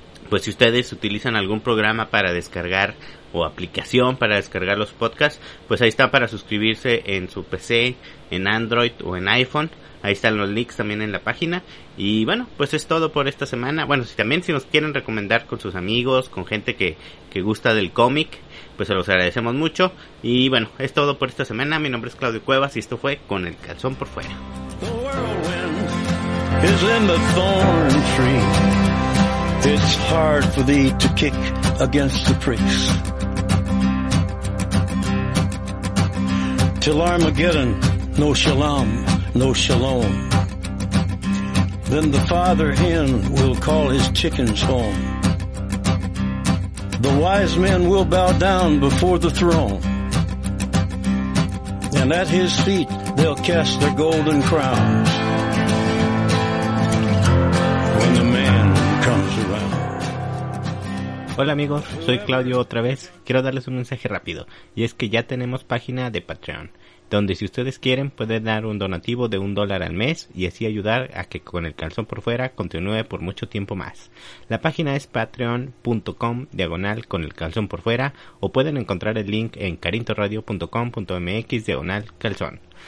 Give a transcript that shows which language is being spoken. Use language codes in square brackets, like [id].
[es] pues si ustedes utilizan algún programa para descargar o aplicación para descargar los podcasts, pues ahí está para suscribirse en su PC, en Android o en iPhone. Ahí están los links también en la página. Y bueno, pues es todo por esta semana. Bueno, si también si nos quieren recomendar con sus amigos, con gente que gusta del cómic, pues se los agradecemos mucho. Y bueno, es todo por esta semana. Mi nombre es Claudio Cuevas y esto fue Con el Calzón por Fuera. [en] The whirlwind is in the thorn tree. It's hard for thee to kick against the pricks. Till Armageddon, no shalom, no shalom. Then the father hen will call his chickens home. The wise men will bow down before the throne, and at his feet they'll cast their golden crowns. When the man comes around. [es] Hola amigos, soy Claudio otra vez. Quiero darles un mensaje rápido, y es que ya tenemos página de Patreon, donde si ustedes quieren pueden dar un donativo de $1 al mes y así ayudar a que Con el Calzón por Fuera continúe por mucho tiempo más. La página es patreon.com/conelcalzonporfuera o pueden encontrar el link en carintoradio.com.mx/calzón.